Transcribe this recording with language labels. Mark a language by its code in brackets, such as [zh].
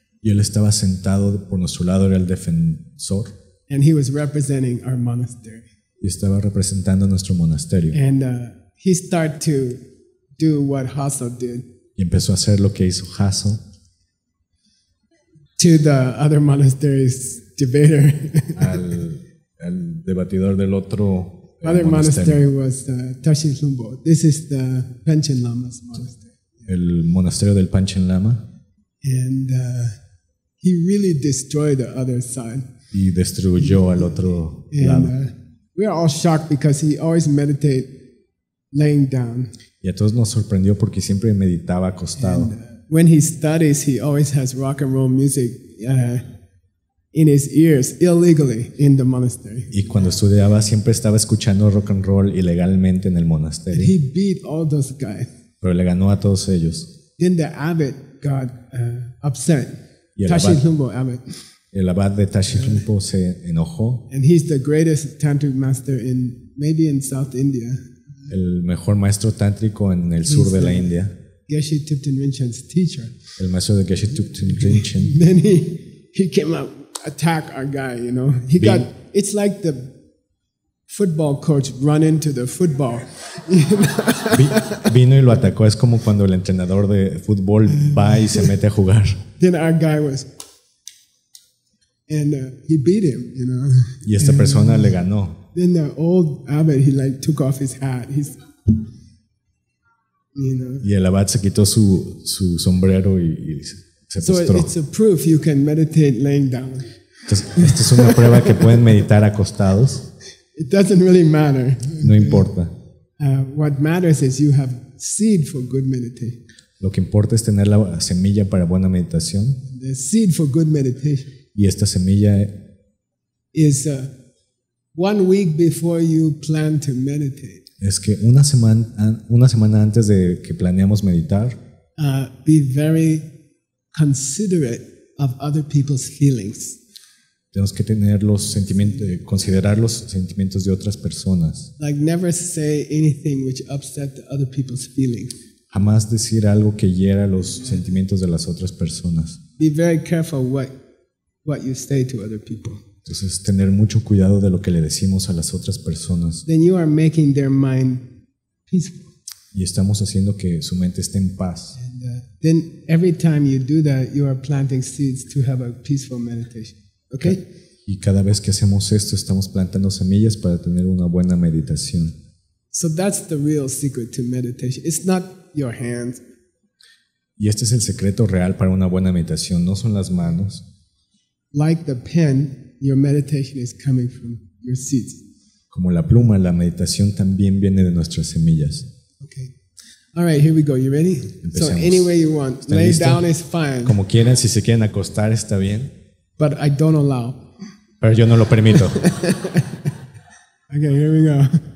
[es] Y él estaba sentado por nuestro lado, era el defensor. [en] And he was representing our monastery. [es] Y estaba representando nuestro monasterio. [en] And he started to do what Hasso did. [es] Y empezó a hacer lo que hizo Hasso. [en] To the other monastery's debater. [es] al debatidor del otro monastery. [en] Other monastery was Tashin Lumbo. This is the Panchen Lama's monastery. [es] El monasterio del Panchen Lama. [en] And he really destroyed the other side. [es] Y destruyó al otro lado. [en] We are all shocked because he always meditates laying down. [es] Y a todos nos sorprendió porque siempre meditaba acostado. [en] And, when he studies, he always has rock and roll music in his ears illegally in the monastery. [es] Y cuando estudiaba siempre estaba escuchando rock and roll ilegalmente en el monasterio. [en] And he beat all those guys. [es] Pero le ganó a todos ellos. [en] Then the abbot got upset. Tashin Lumbo abbot. [es] El abad de Tashin Lumbo se enojó. [en] And he's the greatest tantric master in maybe in South India. [es] El mejor maestro tántrico en el sur de la India. [en] Geshe Thupten Rinchen's teacher. [es] El maestro de Geshe Thupten Rinchen. [en] Then he came up, attack our guy, you know. It's like the football coach run into the football. [es] Vino y lo atacó. Es como cuando el entrenador de fútbol va y se mete a jugar. [en] Then our guy was, and he beat him, you know. [es] Y esta persona le ganó. [en] Then the old abbot, he like took off his hat. He's, you know. [es] Y el abad se quitó su sombrero y se postró. [en] So it's a proof you can meditate laying down. [es] Entonces, esto es una prueba que pueden meditar acostados. [en] It doesn't really matter. [es] No importa. [en] What matters is you have seed for good meditation. [es] Lo que importa es tener la semilla para buena meditación. [en] The seed for good meditation. [es] Y esta semilla [en] is 1 week before you plan to meditate. [es] Es que una semana antes de que planeamos meditar, [en] be very considerate of other people's feelings. [es] Tenemos que tener los sentimientos, considerar los sentimientos de otras personas. [en] Like never say anything which upset the other people's feelings. [es] Jamás decir algo que hiera los sentimientos de las otras personas. [en] Be very careful what you say to other people. [es] Entonces, tener mucho cuidado de lo que le decimos a las otras personas. [en] Then you are making their mind peaceful. [es] Y estamos haciendo que su mente esté en paz. [en] And, then every time you do that, you are planting seeds to have a peaceful meditation. Okay? [es] Y cada vez que hacemos esto, estamos plantando semillas para tener una buena meditación. [en] So that's the real secret to meditation. It's not your hands. [es] Y este es el secreto real para una buena meditación, no son las manos. [en] Like the pen, your meditation is coming from your seeds. [es] Como la pluma, la meditación también viene de nuestras semillas. [en] Okay. All right, here we go. You ready? [es] Empecemos. [en] So any way you want. Lay down is fine. [es] Como quieran, si se quieren acostar está bien. [en] But I don't allow. [es] Pero yo no lo permito. [en] Okay, here we go.